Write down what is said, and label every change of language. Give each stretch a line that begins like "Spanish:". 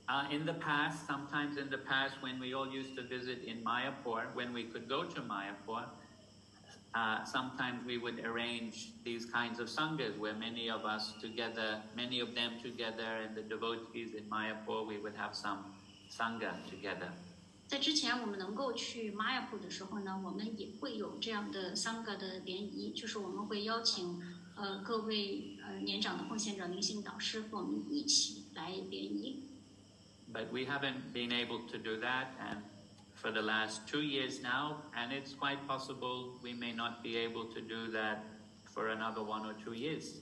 English: In the past, sometimes in the past, when we all used to visit in Mayapur, when we could go to Mayapur, sometimes we would arrange these kinds of sanghas where many of us together, many of them together, and the devotees in Mayapur, we would have some sangha together.
Chinese: 在之前我们能够去Mayapur的时候呢，我们也会有这样的三个的联谊，就是我们会邀请各位年长的奉献者、灵性导师和我们一起来联谊。
English: But we haven't been able to do that, and for the last 2 years now, and it's quite possible we may not be able to do that for another 1 or 2 years.